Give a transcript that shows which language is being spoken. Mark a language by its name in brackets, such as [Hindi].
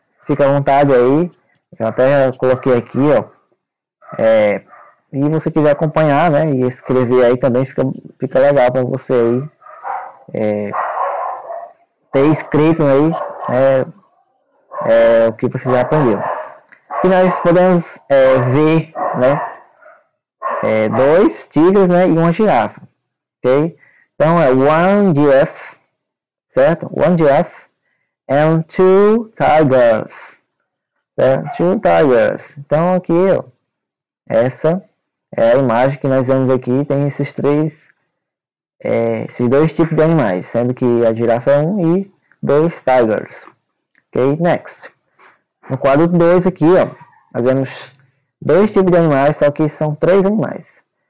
[Portuguese] Fica à vontade aí. Eu até coloquei aqui, ó. E você quiser acompanhar, né, e escrever aí também, fica legal para você aí ter escrito aí, o que você já aprendeu. E nós podemos ver, né, dois tigres, né, e uma girafa, ok? Então é [English] one giraffe, [Portuguese] certo? [English] One giraffe and two tigers, né? Two tigers. [Portuguese] Então aqui, ó, essa é a imagem que nós vemos aqui, tem esses três, esses dois tipos de animais, sendo que a girafa é um e dois tigers. Ok, next. No quadro 2 aqui, ó, nós vemos dois tipos de animais, só que são três animais.